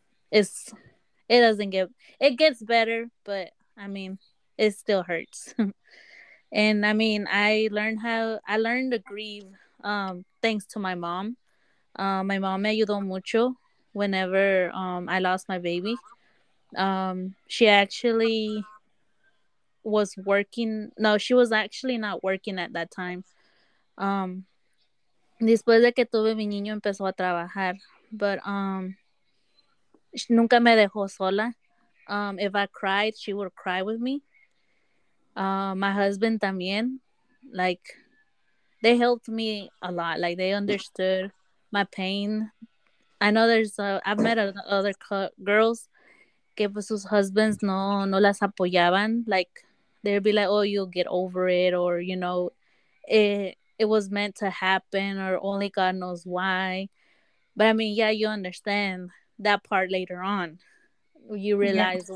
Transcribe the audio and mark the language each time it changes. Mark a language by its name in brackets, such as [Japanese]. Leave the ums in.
[English] it's it doesn't get it gets better but i mean it still hurts and i mean i learned how i learned to grieve um thanks to my mom uh, my mom [Spanish] me ayudó mucho [English] whenever um, I lost my baby, um, she actually was working. No, she was actually not working at that time. [Spanish] Um, después de que tuve mi niño, empezó a trabajar. [English] But um, she [Spanish] nunca me dejó sola. [English] Um, if I cried, she would cry with me. Uh, my husband también. Like, they helped me a lot. Like, they understood my pain I know there's uh, I've met other girls [Spanish] que pues sus husbands no no las apoyaban [English] like they'd be like oh you'll get over it or you know it it was meant to happen or only God knows why but I mean yeah you understand that part later on you realize yeah.